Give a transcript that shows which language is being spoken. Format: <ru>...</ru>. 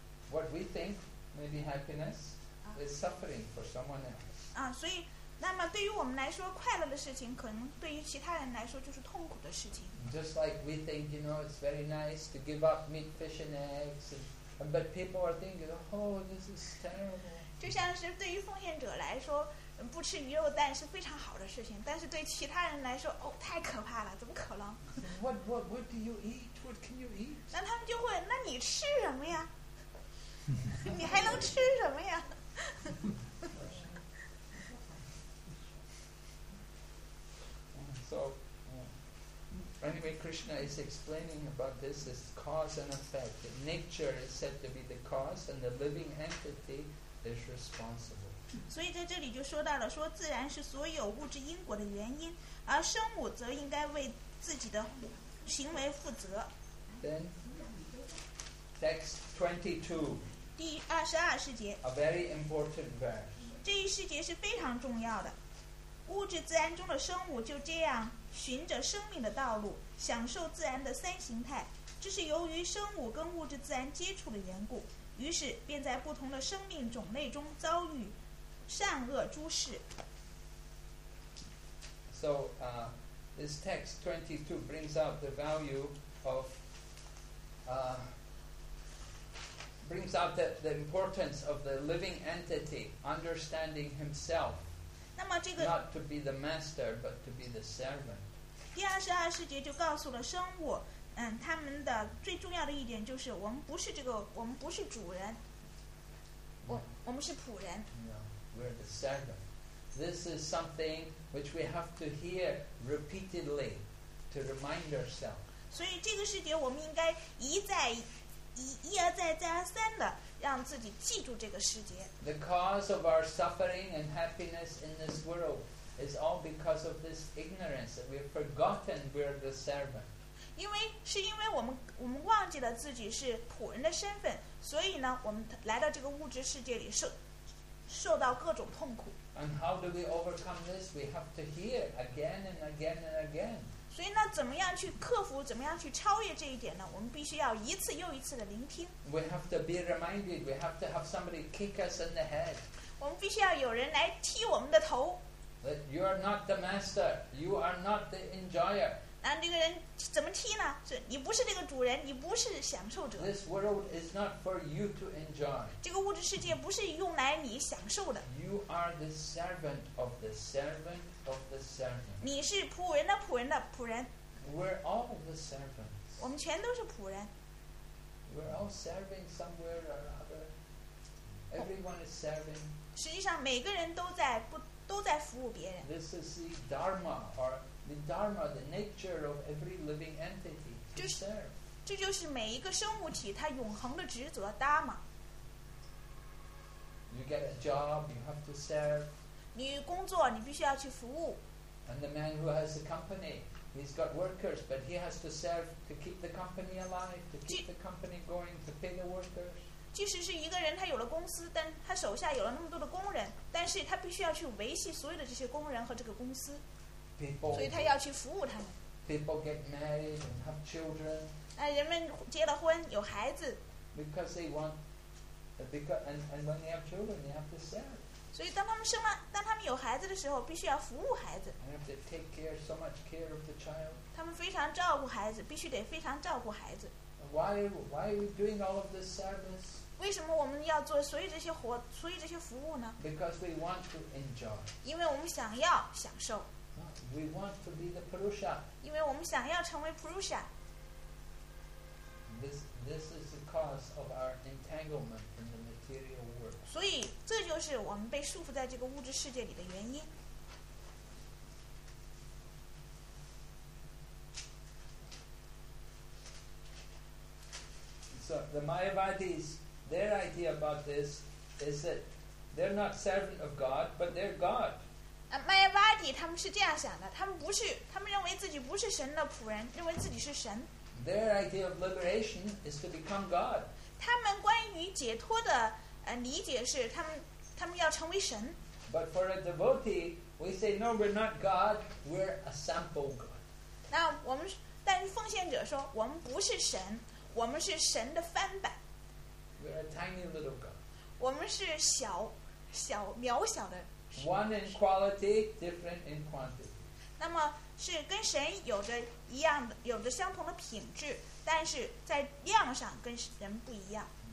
<en>What we think may be happiness is suffering for someone else.</en> <zh>所以那么对于我们来说，快乐的事情可能对于其他人来说就是痛苦的事情。</zh> <en>Just like we think, you know, it's very nice to give up meat, fish, and eggs, but people are thinking, oh, this is terrible.</en> <zh>就像是对于奉献者来说，不吃鱼肉蛋是非常好的事情，但是对其他人来说，哦，太可怕了，怎么可能？</zh> <en>What do you eat? What can you eat?</en> <zh>那他们就会，那你吃什么呀？你还能吃什么呀？</zh> <en>So, anyway, Krishna is explaining about this as cause and effect. That nature is said to be the cause, and the living entity is responsible.</en> <zh>所以在这里就说到了，说自然是所有物质因果的原因，而生物则应该为自己的行为负责。</zh> <en>Then, text 22.</en> <zh>第二十二世节。</zh> <en>A very important verse.</en> <zh>这一世节是非常重要的。物质自然中的生物就这样循着生命的道路享受自然的三形态，这是由于生物跟物质自然接触的缘故，于是便在不同的生命种类中遭遇善恶诸事。</zh> <en>So this text 22 brings out the value of brings out the importance of the living entity understanding himselfNot to be the master, but to be the servant.</en> <zh>第二十二世节就告诉了生物，他们的最重要的一点就是，我们不是这个，我们不是主人，我们是仆人。</zh> <en>Yeah, we're the servant. This is something which we have to hear repeatedly to remind ourselves.</en> <zh>所以这个世节我们应该一而再，再而三的让自己记住这个世界。</zh> <en>The cause of our suffering and happiness in this world is all because of this ignorance that we've forgotten we're the servant.</en> <zh>因为我们忘记了自己是仆人的身份，所以呢，我们来到这个物质世界里受到各种痛苦。</zh> <en>And how do we overcome this? We have to hear again and again and again.</en> <zh>所以呢，怎么样去克服，怎么样去超越这一点呢？我们必须要一次又一次的聆听。</zh> <en>We have to be reminded. We have to have somebody kick us in the head.</en> <zh>我们必须要有人来踢我们的头。</zh> <en>That you are not the master. You are not the enjoyer.</en> <zh>那这个人怎么踢呢？是你不是这个主人，你不是享受者。</zh> <en>This world is not for you to enjoy.</en> <zh>这个物质世界不是用来你享受的。</zh> <en>You are the servant of the servant. Of the servant.</en> <zh>你是仆人的仆人的仆人。</zh> <en>We're all the servants.</en> <zh>我们全都是仆人。</zh> <en>We're all serving somewhere or other. Everyone is serving.</en> <zh>实际上，每个人都在服务别人。</zh> <en>This is the dharma or the dharma, the nature of every living entity to serve.</en> <zh>这就是每一个生物体它永恒的职责 dharma.</zh> <en>You get a job, you have to serve.</en> <zh>你工作，你必须要去服务。</zh> <en>And the man who has the company, he's got workers, but he has to serve to keep the company alive, to keep the company going, to pay the workers.</en> <zh>即使是一个人，他有了公司，但他手下有了那么多的工人，但是他必须要去维系所有的这些工人和这个公司。</zh> <en>People.</en> <zh>所以他要去服务他们。</zh> <en>People get married and have children.</en> <zh>人们结了婚，有孩子。</zh> <en>Because they want, because and when they have children, they have to serve.</en> <zh>所以当他们生了当他们有孩子的时候必须要服务孩子</zh> <en>I have to take care, so much care of the child.</en> <zh>他们非常照顾孩子必须得非常照顾孩子</zh> <en>why are you doing all of this service?</en> <zh>为什么我们要做所有这些活所有这些服务呢</zh> <en>Because we want to enjoy.</en> <zh>因为我们想要享受</zh> <en>We want to be the Purusha.</en> <zh>因为我们想要成为 Purusha.</zh> <en>This is the cause of our entanglement in the material world.</en> <zh>所以这就是我们被束缚在这个物质世界里的原因。</zh> <en>So the Mayavadis, their idea about this is that they're not servant of God, but they're God.</en> <zh>Mayavadi 他们是这样想的，他们不是，他们认为自己不是神的仆人，认为自己是神。</zh> <en>Their idea of liberation is to become God.</en> <zh>他们关于解脱的理解是他们要成为神。</zh> <en>But for a devotee, we say no, we're not God, we're a sample God.</en> <zh>那我们但是奉献者说我们不是神，我们是神的翻版。</zh> <en>We're a tiny little God.</en> <zh>我们是小小渺小的。</zh> <en>One in quality, different in quantity.</en> <zh>那么是跟神有着一样的，有着相同的品质，但是在量上跟人不一样。</zh>